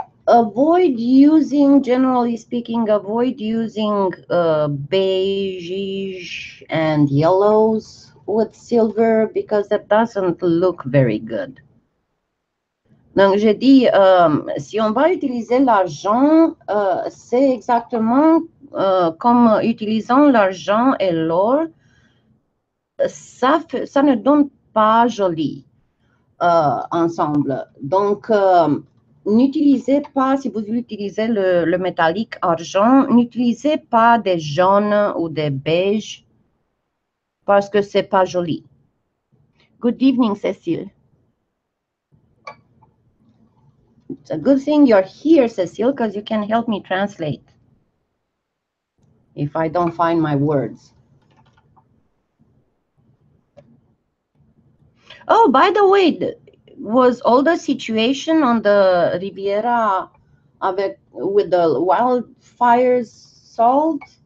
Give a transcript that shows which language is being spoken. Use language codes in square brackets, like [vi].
[en] Generally speaking, avoid using beige and yellows with silver because that doesn't look very good. [fr] Donc, j'ai dit, si on va utiliser l'argent, c'est exactement comme utilisant l'argent et l'or. Ça ne donne pas joli ensemble. Donc, n'utilisez pas, si vous utilisez le métallique argent, n'utilisez pas des jaunes ou des beiges parce que c'est pas joli. [en] Good evening, Cécile. It's a good thing you're here, Cécile, because you can help me translate if I don't find my words. Oh, by the way, was all the situation on the Riviera with the wildfires solved?